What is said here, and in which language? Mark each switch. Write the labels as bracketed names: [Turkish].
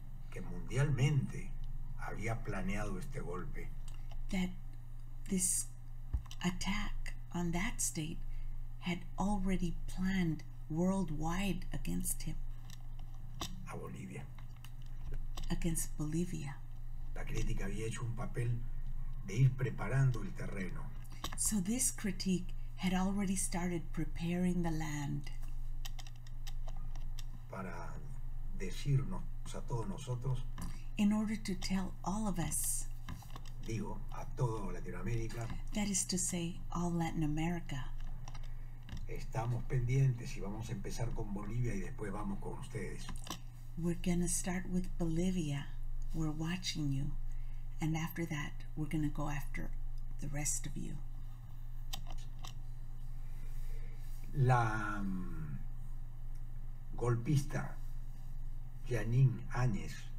[Spanish] que mundialmente había planeado este golpe, [English] that this attack on that state had already planned worldwide against him, [Spanish] a Bolivia, [English] against Bolivia. [Spanish] La crítica había hecho un papel de ir preparando el terreno. [English] So this critique had already started preparing the land. [Spanish] Para decirnos a todos nosotros. [English] In order to tell all of us. [Spanish] Digo, a toda Latinoamérica. [English] That is to say, all Latin America. [Spanish] Estamos pendientes y vamos a empezar con Bolivia y después vamos con ustedes. [English] We're going to start with Bolivia. We're watching you. And after that, we're going to go after the rest of you. [Spanish] La golpista Jeanine Áñez.